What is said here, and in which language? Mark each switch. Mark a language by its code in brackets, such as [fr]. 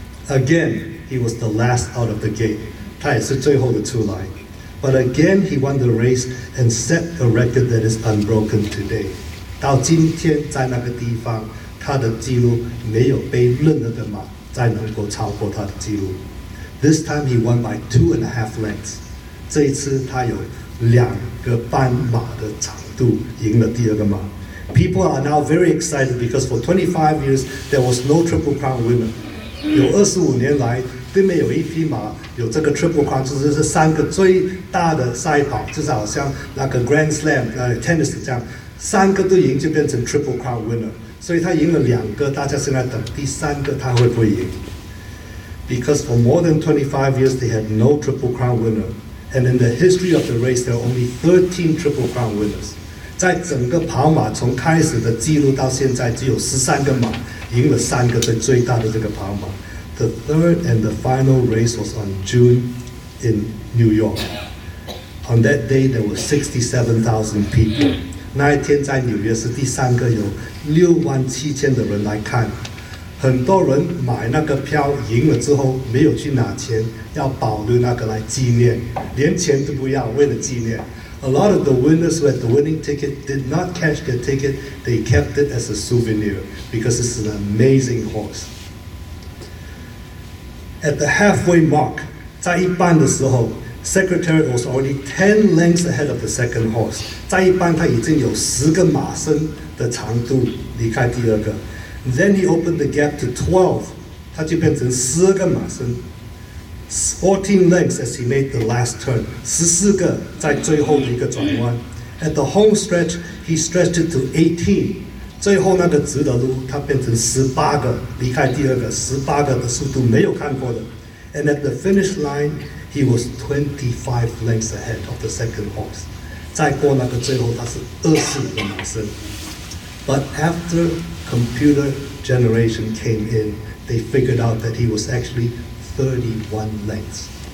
[en] Again, he was the last out of the gate. [zh] 他也是最后的出来。 [en] But again, he won the race and set a record that is unbroken today. [zh] 到今天，在那个地方，他的记录没有被任何的马再能够超过他的记录。 [en] This time he won by 2.5 lengths. [zh] 这一次他有两个半马的长度赢了第二个马。 [en] People are now very excited because for 25 years there was no Triple Crown winner. [zh] 有25年来都没有一匹马有这个 Triple Crown， 就是三个最大的赛跑，就是好像那个 Grand Slam， Tennis 这样，三个都赢就变成 Triple Crown winner。所以他赢了两个，大家现在等第三个他会不会赢。 [en] Because for more than 25 years, they had no Triple Crown winner. And in the history of the race, there are only 13 Triple Crown winners. [zh] 在整个跑马从开始的记录到现在，只有13个马赢了三个最大的这个跑马。 [en] The third and the final race was on June in New York. On that day, there were 67,000 people. [zh] 那一天在纽约是第三个，有67,000的人来看。很多人买那个票赢了之后没有去拿钱，要保留那个来纪念，连钱都不要，为了纪念。 [en] A lot of the winners who had the winning ticket did not cash their ticket, they kept it as a souvenir because it's an amazing horse. At the halfway mark, [zh] 在一半的时候 [en] secretary was already 10 lengths ahead of the second horse. [zh] 再一般他已经有10个马身的长度离开第二个。 [en] Then he opened the gap to 12. [zh] 他就变成12个马身。 [en] 14 lengths as he made the last turn. [zh] 14个在最后的一个转弯。 [en] At the home stretch, he stretched it to 18. [zh] 最后那个直的路，他变成18个离开第二个，18个的速度没有看过的。 [en] And at the finish line, he was 25 lengths ahead of the second horse. [zh] 再过那个最后，他是24个马身。 [en] But after computer generation came in, they figured out that he was actually 31 lengths.